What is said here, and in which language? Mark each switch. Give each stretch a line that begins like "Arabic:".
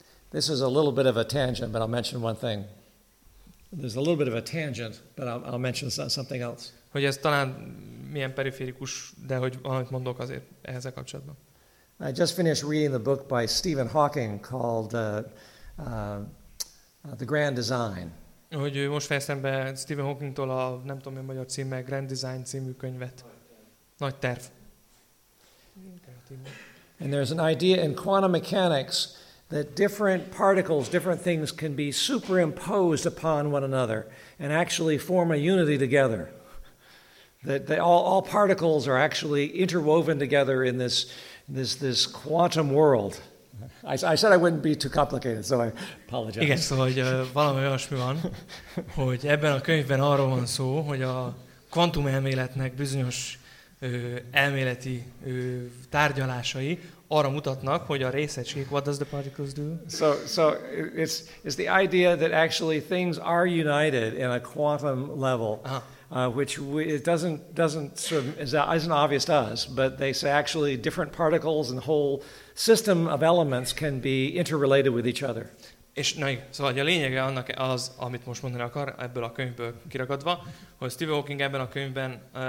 English: This is a little bit of a tangent, but I'll mention one thing. There's a little bit of a tangent, but I'll mention something else.
Hungarian: Hogy ez talán milyen periférikus, de hogy valamit mondok azért ehhez a kapcsolatban.
English: I just finished reading the book by Stephen Hawking called The Grand Design.
Hungarian: Hogy most fejeztem be Stephen Hawkingtól a nem tudom én magyar címmel Grand Design című könyvet. Nagy terv.
English: And there's an idea in quantum mechanics that different particles, different things can be superimposed upon one another and actually form a unity together. That they all particles are actually interwoven together in this quantum world. I said I wouldn't be too complicated, so I apologize.
Hungarian: Igen, szóval, hogy valami olyasmi van, hogy ebben a könyvben arról van szó, hogy a kvantumelméletnek bizonyos elméleti tárgyalásai arra mutatnak, hogy a részecskék,
English: what does the particles do? So it's the idea that actually things are united in a quantum level. Which isn't obvious to us, but they say actually different particles and whole system of elements can be interrelated with each other.
Hungarian: És na, szóval a lényege annak az, amit most mondani akar ebből a könyvből kiragadva, hogy Stephen Hawking ebben a könyvben